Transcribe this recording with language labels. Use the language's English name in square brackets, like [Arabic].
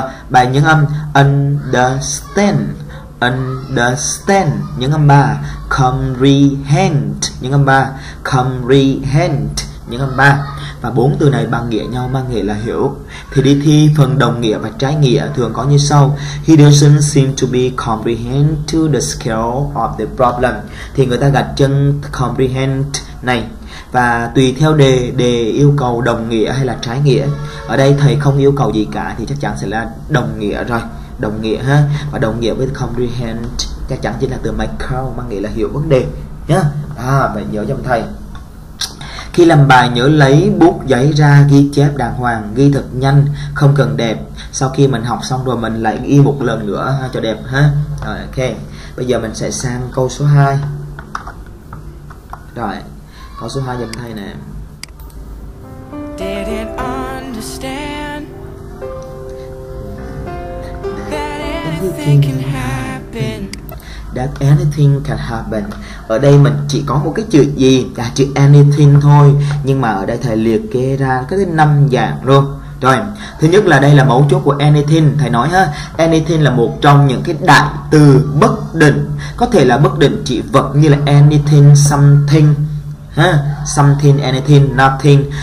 [Vietnamese] Bài nhấn âm understand, understand, nhấn âm 3, comprehend, nhấn âm 3, comprehend, nhấn âm 3. Và bốn từ này bằng nghĩa nhau, mang nghĩa là hiểu. Thì đi thi phần đồng nghĩa và trái nghĩa thường có như sau. [English] He doesn't seem to be comprehend to the scale of the problem. [Vietnamese] Thì người ta gạch chân comprehend này. Và tùy theo đề, đề yêu cầu đồng nghĩa hay là trái nghĩa. Ở đây thầy không yêu cầu gì cả thì chắc chắn sẽ là đồng nghĩa rồi. Đồng nghĩa ha. Và đồng nghĩa với comprehend chắc chắn chính là từ Michael, mang nghĩa là hiểu vấn đề nhá. Vậy nhớ giùm thầy. Khi làm bài nhớ lấy bút giấy ra ghi chép đàng hoàng, ghi thật nhanh, không cần đẹp. Sau khi mình học xong rồi mình lại ghi một lần nữa ha, cho đẹp ha. Rồi, ok. Bây giờ mình sẽ sang câu số 2. Rồi, câu số 2 giùm thầy nè. [English] Didn't understand that anything can happen. That anything can happen. [Vietnamese] Ở đây mình chỉ có một cái chữ gì là chữ anything thôi, nhưng mà ở đây thầy liệt kê ra cái 5 dạng luôn. Rồi, thứ nhất là đây là mấu chốt của anything. Thầy nói ha, anything là một trong những cái đại từ bất định, có thể là bất định chỉ vật như là anything, something ha, something, anything, nothing.